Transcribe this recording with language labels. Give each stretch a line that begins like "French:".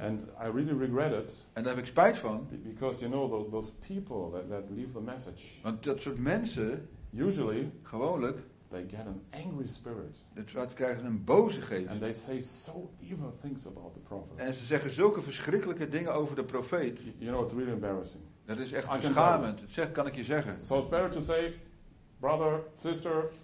English: And I really regret it.
Dutch: En daar heb ik spijt van.
English: Because you know those people that leave the message.
Dutch: Want dat soort mensen.
English: Usually.
Dutch: Gewoonlijk.
English: They get an angry spirit.
Dutch: Ze krijgen een boze geest.
English: And they say so evil things about the prophet.
Dutch: En ze zeggen zulke verschrikkelijke dingen over de profeet.
English: You know, it's really embarrassing.
Dutch: Dat is echt beschamend. Dat kan ik je zeggen.
English: So it's better to say, brother, sister.